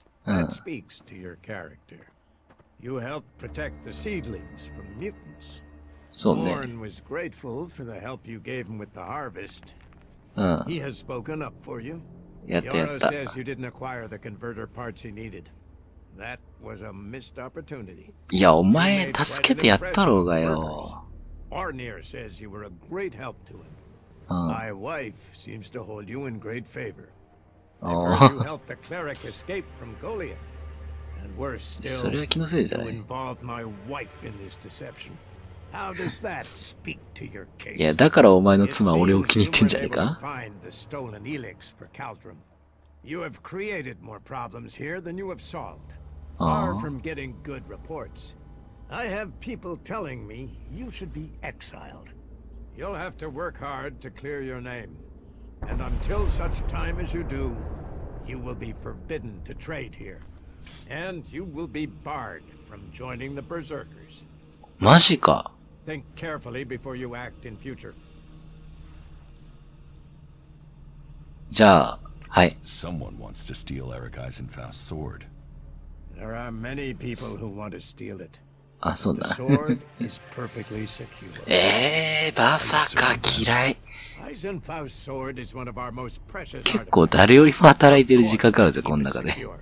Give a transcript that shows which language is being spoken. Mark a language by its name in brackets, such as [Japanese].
[English] That speaks to your character. You helped protect the seedlings from mutants. [Japanese] そうね。 [English] Warren was grateful for the help you gave him with the harvest. He has spoken up for you. Yara says you didn't acquire the converter parts he needed. That was a missed opportunity. [Japanese] いや、お前助けてやったろうがよ。 [English] Arnir says you were a great help to him. My wife seems to hold you in great favor. You helped the cleric escape from Goliath. And worse still, you involved my wife in this deception. How does that speak to your case? [Japanese] いや、だからお前の妻は俺を気に入ってんじゃねえか? [English] Find the stolen Elex for Caldrum. You have created more problems here than you have solved. Far from getting good reports. I have people telling me you should be exiled. You'll have to work hard to clear your name. And until such time as you do, you will be forbidden to trade here. And you will be barred from joining the Berserkers. [Japanese] マジか。 [English] Think carefully before you act in future. [Japanese] じゃあ、はい。 [English] Someone wants to steal Eric Eisenfast's sword. There are many people who want to steal it. [Japanese] あ、そうだ。 [English] Sword is perfectly secure. [Japanese] まさか嫌い。 [English] Eisenfast's sword is one of our most precious. [Japanese] 結構誰よりも働いてる時間があるぜ、この中で。